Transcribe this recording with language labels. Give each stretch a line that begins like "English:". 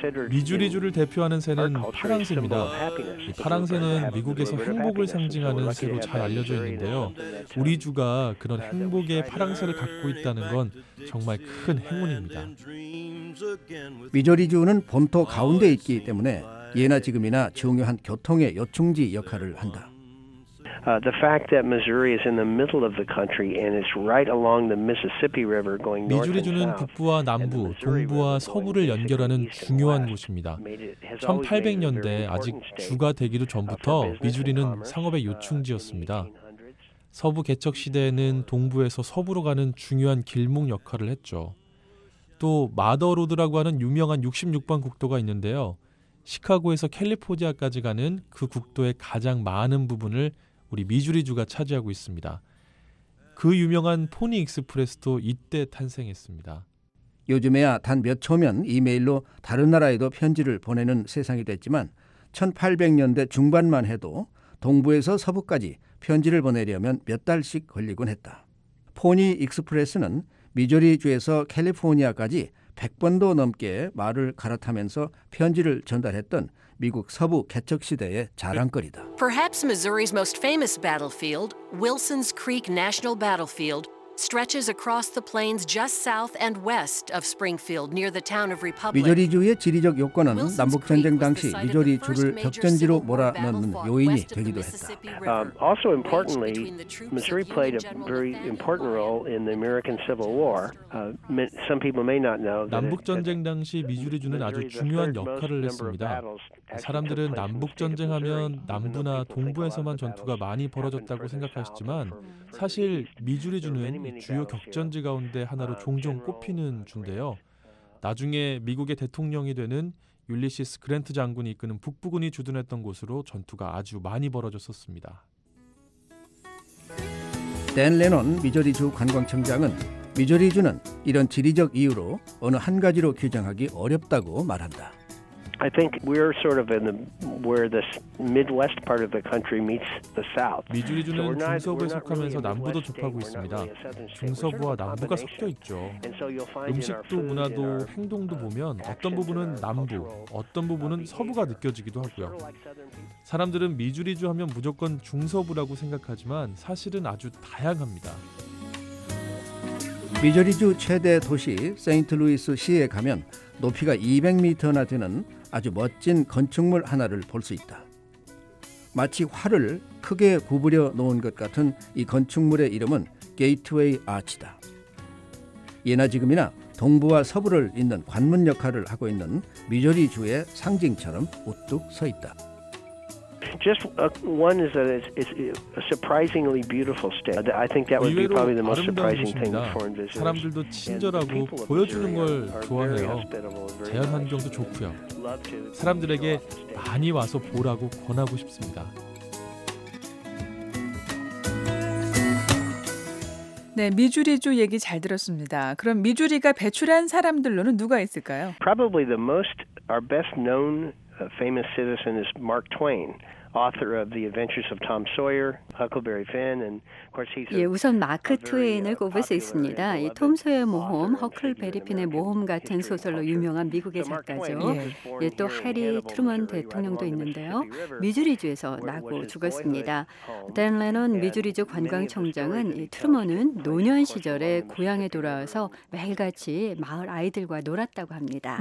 Korean: 미주리주를 대표하는 새는 파랑새입니다. 이 파랑새는 미국에서 행복을 상징하는 새로 잘 알려져 있는데요. 우리 주가 그런 행복의 파랑새를 갖고 있다는 건 정말 큰 행운입니다. 미주리주는 본토 가운데 있기 때문에 예나 지금이나 중요한 교통의 요충지 역할을 한다.
English: The fact that Missouri is in the middle of the country and is right along the Mississippi River going north and south.
Korean: 미주리주는 북부와 남부, 동부와 서부를 연결하는 중요한 곳입니다. 1800년대 아직 주가 되기도 전부터 미주리는 상업의 요충지였습니다. 서부 개척 시대에는 동부에서 서부로 가는 중요한 길목 역할을 했죠. 또 마더로드라고 하는 유명한 66번 국도가 있는데요. 시카고에서 캘리포니아까지 가는 그 국도의 가장 많은 부분을 우리 미주리주가 차지하고 있습니다. 그 유명한 포니 익스프레스도 이때 탄생했습니다. 요즘에야 단 몇 초면 이메일로 다른 나라에도 편지를 보내는 세상이 됐지만 1800년대 중반만 해도 동부에서 서부까지 편지를 보내려면 몇 달씩 걸리곤 했다. 포니 익스프레스는 미주리주에서 캘리포니아까지 100번도 넘게 말을 갈아타면서 편지를 전달했던 미국 서부 개척 시대의 자랑거리다.
English: Perhaps Missouri's most famous battlefield, Wilson's Creek National Battlefield, stretches across the plains just south and west of Springfield near the town of Republic.
Korean: 미조리주의 지리적 요건은 남북 전쟁 당시 미조리 주를 격전지로 몰아넣는 요인이 되기도 했다.
English: Also importantly, Missouri played a very important role in the American Civil War. Some people may not know.
Korean: 남북 전쟁 당시 미조리주는 아주 중요한 역할을 했습니다. 사람들은 남북 전쟁하면 남부나 동부에서만 전투가 많이 벌어졌다고 생각하시지만 사실 미조리주는 주요 격전지 가운데 하나로 종종 꼽히는 주인데요. 나중에 미국의 대통령이 되는 율리시스 그랜트 장군이 이끄는 북부군이 주둔했던 곳으로 전투가 아주 많이 벌어졌었습니다. 댄 레논 미조리주 관광청장은 미조리주는 이런 지리적 이유로 어느 한 가지로 규정하기 어렵다고 말한다.
English: I think we're sort of in the where this Midwest part of the country meets the South.
Korean: 미주리주는 중서부에 속하면서 남부도 접하고 있습니다. 중서부와 남부가 섞여 있죠. 음식도 문화도 행동도 보면 어떤 부분은 남부, 어떤 부분은 서부가 느껴지기도 하고요. 사람들은 미주리주 하면 무조건 중서부라고 생각하지만 사실은 아주 다양합니다. 미주리주 최대 도시 세인트루이스 시에 가면 높이가 200m나 되는 아주 멋진 건축물 하나를 볼 수 있다. 마치 활을 크게 구부려 놓은 것 같은 이 건축물의 이름은 게이트웨이 아치다. 예나 지금이나 동부와 서부를 잇는 관문 역할을 하고 있는 미조리주의 상징처럼 우뚝 서 있다.
English: Just one is that it's a surprisingly beautiful state. I think that would be probably the most surprising thing for foreign visitors.
Korean: 사람들도 친절하고 보여주는 걸 좋아해요. 자연 환경도 좋고요. 사람들에게 많이 와서 보라고 권하고 싶습니다. 네, 미주리주 얘기 잘 들었습니다. 그럼 미주리가 배출한 사람들로는 누가 있을까요?
English: Probably the most our best known famous citizen is Mark Twain. Author of The Adventures of Tom Sawyer, Huckleberry Finn, and of course he's.
Korean: 예, 우선 마크 트웨인을 꼽을 수 있습니다. 이 톰 소여의 모험, 허클베리 핀의 모험 같은 소설로 유명한 미국의 작가죠. 예, 또 해리 트루먼 대통령도 있는데요. 미주리주에서 나고 죽었습니다. 댄 레논 미주리주 관광청장은 이 트루먼은 노년 시절에 고향에 돌아와서 매일같이 마을 아이들과 놀았다고 합니다.